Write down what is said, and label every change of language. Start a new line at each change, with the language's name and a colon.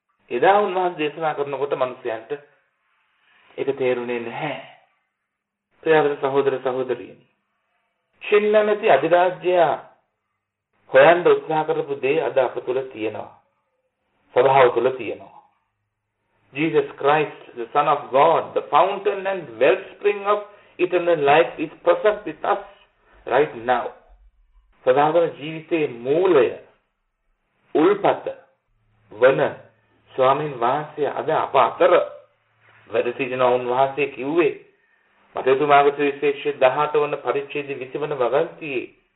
Sinhala: එදා උන්වහන්සේ දේශනා කරනකොට මිනිස්යන්ට ඒක තේරුණේ නැහැ. ප්‍රියතර සහෝදර සහෝදරියනි, ශින්නමැති අධිරාජ්‍ය හොයන්න උත්සාහ කරපු දේ අද අප තුළ තියෙනවා. සභාව තුළ තියෙනවා.
English: Jesus Christ, the Son of God, the fountain and wellspring of eternal life is present with us right now.
Sinhala: සදාතන ජීවිතයේ මූලය උල්පත වන ස්වාමීන් වහන්සේ අද අප අතර වැඩ සිටින උන්වහන්සේ කිව්වේ මතේතුමාගේ සුවිශේෂය 18 වන පරිච්ඡේද 20 වන වගන්තියේ